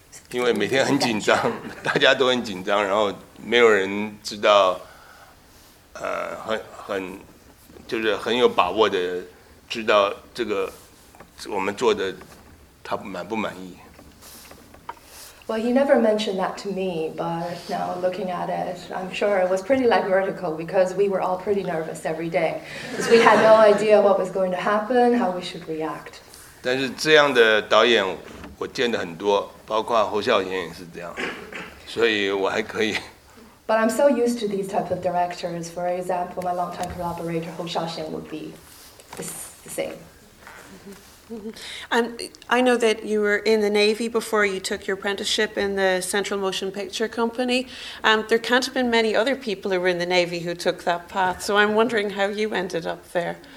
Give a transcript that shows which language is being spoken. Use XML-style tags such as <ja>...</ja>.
<zh>因为每天很紧张，大家都很紧张，然后没有人知道，很就是很有把握的知道这个我们做的他满不满意。</zh> <en>Well, he never mentioned that to me, but now looking at it, I'm sure it was pretty like vertical because we were all pretty nervous every day. Because we had no idea what was going to happen, how we should react.</en> <zh>但是这样的导演我见得很多，包括侯孝贤也是这样，所以我还可以。</zh> <en>But I'm so used to these types of directors. For example, my longtime collaborator, Hou Xiaoxian, would be the same. And I know that you were in the Navy before you took your apprenticeship in the Central Motion Picture Company. There can't have been many other people who were in the Navy who took that path, so I'm wondering how you ended up there.</en>